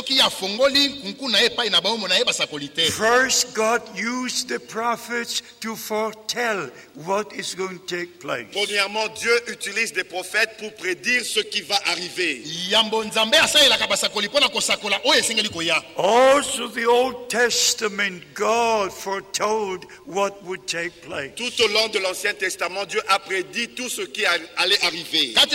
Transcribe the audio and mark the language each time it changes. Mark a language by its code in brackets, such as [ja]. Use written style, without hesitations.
[en] First, God used the prophets to foretell what is going to take place. [fr] Premièrement, Dieu utilise des prophètes pour prédire ce qui va arriver. [en] Also, the Old Testament, God foretold what would take place. [fr] Tout au long de l'Ancien Testament, Dieu a prédit tout ce qui allait arriver.